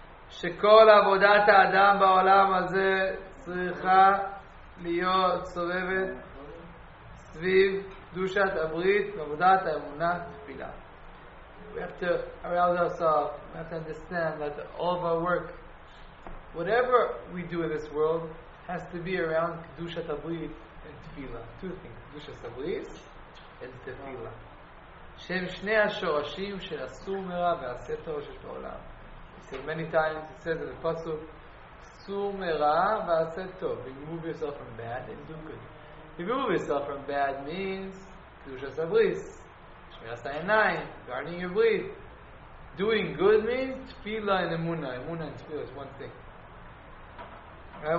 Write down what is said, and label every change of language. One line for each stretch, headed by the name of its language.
Hebrew: שכל עבודת האדם בעולם הזה צריכה להיות סובבת סביב קדושת הברית ועבודת האמונה תפילה.
English: We have to arouse ourselves, we have to understand that all of our work, whatever we do in this world, has to be around קדושת הברית and תפילה. Two things, קדושת הברית and תפילה.
Hebrew: שהם שני השורשים של הסור מרע ועשה טוב שיש בעולם.
English: So many times it says in the pasuk,
Hebrew: "Sur mera va'aseh tov."
English: Remove yourself from bad and do good. Remove yourself from bad means kedushas habris, shmiras ha'einayim, guarding your breath. Doing good means tefillah and emuna. Emuna and tefillah is one thing. Right?